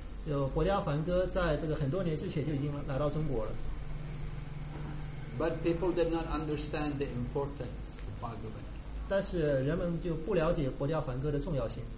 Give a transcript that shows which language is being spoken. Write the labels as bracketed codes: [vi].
[zh] 就《博迦梵歌》在这个很多年之前就已经来到中国了。 [en] But people did not understand the importance of Bhagavad Gita. [zh] 但是人们就不了解《博迦梵歌》的重要性。